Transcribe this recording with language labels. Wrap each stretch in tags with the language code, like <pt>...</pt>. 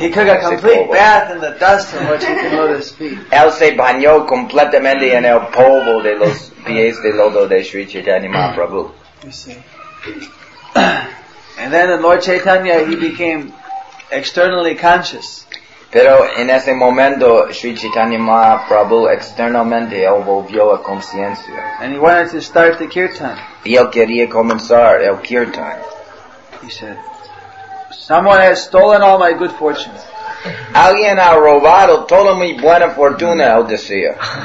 <en>He took a complete bath in the dust from which he could lotus feet.</en> <es>Él se bañó completamente en el polvo de los pies de loto de Sri Chaitanya Mahaprabhu.</es> <en>You see. And then in Lord Chaitanya, he became externally conscious.</en> <es>Pero en ese momento, Sri Chaitanya Mahaprabhu externamente él volvió a conciencia.</es> <en>And he wanted to start the kirtan.</en> <es>Y él quería comenzar el kirtan.</es> <en>He said, "Someone has stolen all my good fortune."</en> <es>Alguien ha robado toda mi buena fortuna, él decía.</es>